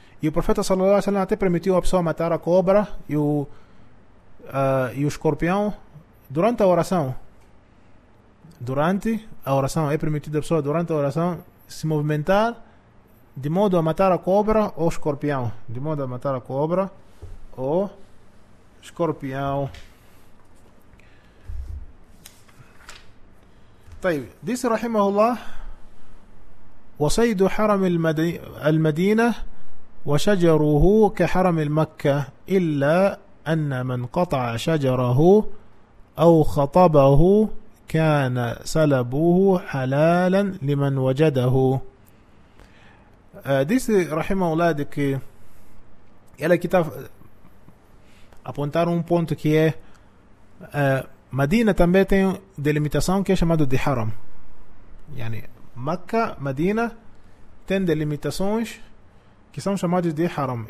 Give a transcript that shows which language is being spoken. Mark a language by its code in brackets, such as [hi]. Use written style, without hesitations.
[pt] E o profeta sallallahu alaihi wasallam até permitiu a pessoa matar a cobra e o escorpião durante a oração. Durante a oração é permitido a pessoa, durante a oração, se movimentar de modo a matar a cobra ou escorpião. De modo a matar a cobra ou escorpião. طيب, disse rahimahullah, [ar] وصيد حرم المدينة وشجره كحرم المكة إلا أن من قطع شجره أو خطبه كان سلبه حلالا لمن وجده. [pt] Disse rahimahullah que ele aqui está apontar um ponto, que é Medina também tem delimitação, que é chamado de haram. Makkah, Medina tem delimitações que são chamadas de haram.